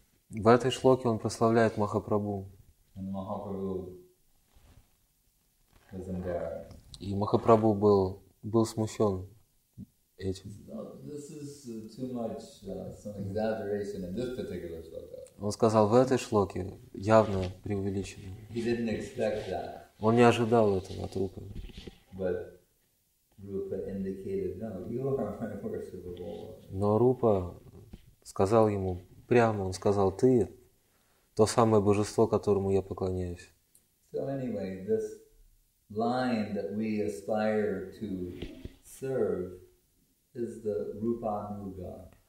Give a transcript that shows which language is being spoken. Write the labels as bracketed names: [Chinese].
[Russian] В этой шлоке он прославляет Махапрабху. [English] And Mahaprabhu was embarrassed. [Russian] И Махапрабху был смущен этим. [English] This is too much, some exaggeration in this particular shloka. [Russian] Он сказал, в этой шлоке явно преувеличено. [English] He didn't expect that. [Russian] Он не ожидал этого от Рупы. [English] But Rupa indicated, no, you are my worshipable. [Russian] Но Рупа сказал ему прямо, он сказал, ты то самое божество, которому я поклоняюсь. [English] So anyway, this line that we aspire to serve is the Rupanuga.